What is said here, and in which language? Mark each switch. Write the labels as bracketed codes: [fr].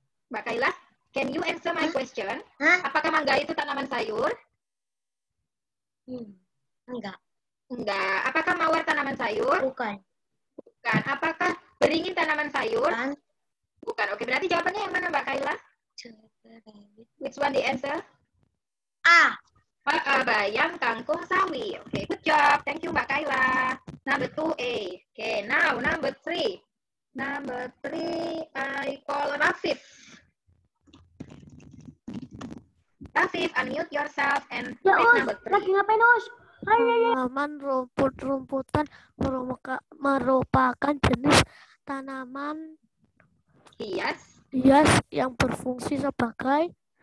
[en] Mbak Kayla, can you answer my question? [id] Apakah mangga itu tanaman sayur? Enggak. Apakah mawar tanaman sayur? Bukan. Apakah beringin tanaman sayur? Bukan. Oke, berarti jawabannya yang mana, Mbak Kayla? [en] Which one the answer? A. [id] Bayam, kangkung, sawi. Oke, [en] good job. Thank you, Mbak Kayla. Number 2A. Oke, now number 3. Number 3, I call Rafif. Rafif, unmute yourself and ya, read number 3. [id] Lagi ngapain, Os? Tanaman rumput-rumputan merupakan jenis tanaman hias yang berfungsi sebagai